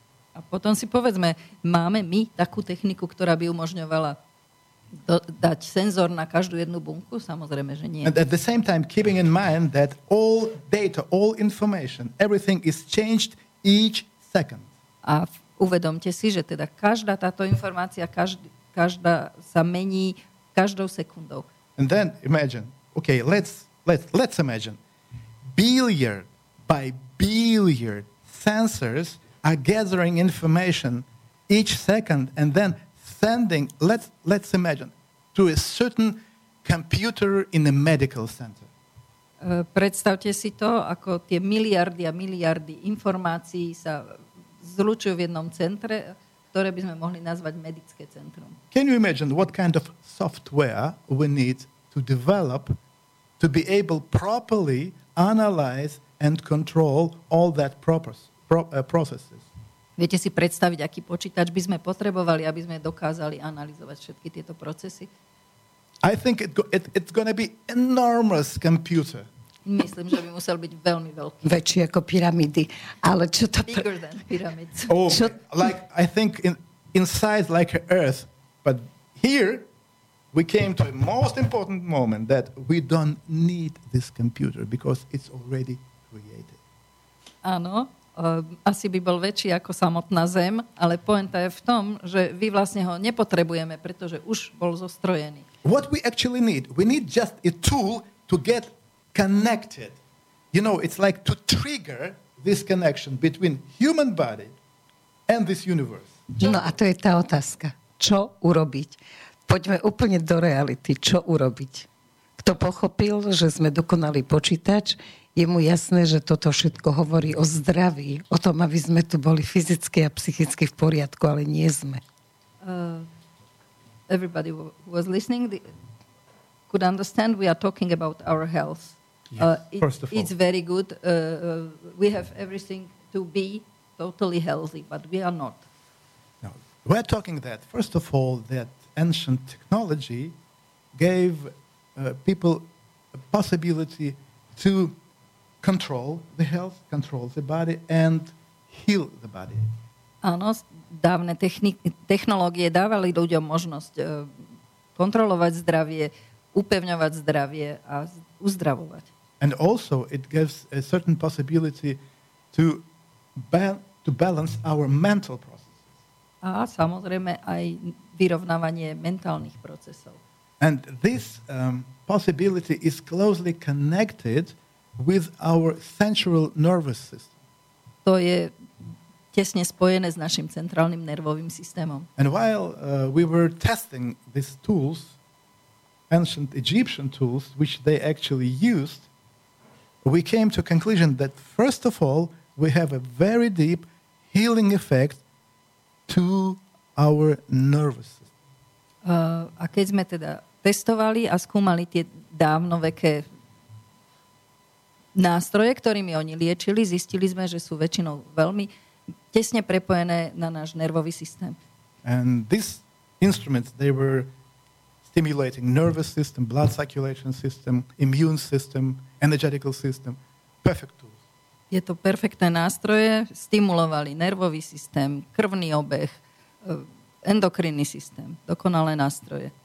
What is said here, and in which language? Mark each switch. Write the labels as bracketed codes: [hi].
[sk] A potom si povedzme, máme my takú techniku, ktorá by umožňovala dať senzor na každú jednu bunku? Samozrejme, že nie. [en] And at the same time, keeping in mind that all data, all information, everything is changed each second. [sk] A uvedomte si, že teda každá táto informácia, každá sa mení každou sekundou. [en] And then imagine, okay, let's imagine, billiard by billiard sensors are gathering information each second and then sending, let's imagine, to a certain computer in a medical center. [sk] Predstavte si to, ako tie miliardy a miliardy informácií sa zlučujú v jednom centre, ktoré by sme mohli nazvať medické centrum. [en] Can you imagine what kind of software we need to develop to be able properly analyze and control all that processes? [sk] Viete si predstaviť, aký počítač by sme potrebovali, aby sme dokázali analyzovať všetky tieto procesy? [en] I think it's going to be enormous computer. [sk] Myslím, že by musel byť veľmi veľký. Väčší ako pyramidy. Ale čo to [en] bigger than pyramids. Oh, like I think in size like Earth, but here we came to a most important moment that we don't need this computer because it's already created. [sk] Áno. Asi by bol väčší ako samotná Zem, ale poenta je v tom, že vy vlastne ho nepotrebujeme, pretože už bol zostrojený. [en] What we actually need? We need just a tool to get connected. You know, it's like to trigger this connection between human body and this universe. [sk] No a to je tá otázka. Čo urobiť? Poďme úplne do reality. Čo urobiť? Kto pochopil, že sme dokonalý počítač, je mu jasné, že toto všetko hovorí o zdraví, o tom, aby sme tu boli fyzicky a psychicky v poriadku, ale nie sme. [en] Everybody who was listening could understand we are talking about our health. Yes, first of all. It's very good. We have everything to be totally healthy, but we are not. No, we're talking that, first of all, that ancient technology gave people a possibility to control the health, control the body and heal the body. [sk] Áno, dávne technológie dávali ľuďom možnosť kontrolovať zdravie, upevňovať zdravie a uzdravovať. [en] And also it gives a certain possibility to balance our mental processes. [sk] A samozrejme aj vyrovnávanie mentálnych procesov. [en] And this possibility is closely connected with our central nervous system. [sk] To je tesne spojené s našim centrálnym nervovým systémom. [en] And while we were testing these tools, ancient Egyptian tools, which they actually used, we came to conclusion that first of all, we have a very deep healing effect to our nervous system. [sk] A keď sme teda testovali a skúmali tie dávnoveké nástroje, ktorými oni liečili, zistili sme, že sú väčšinou veľmi tesne prepojené na náš nervový systém. [en] And these instruments, they were stimulating nervous system, blood circulation system, immune system, energetical system, perfect tools. [sk] Je to perfektné nástroje, stimulovali nervový systém, krvný obeh, endokrinný systém, dokonalé nástroje.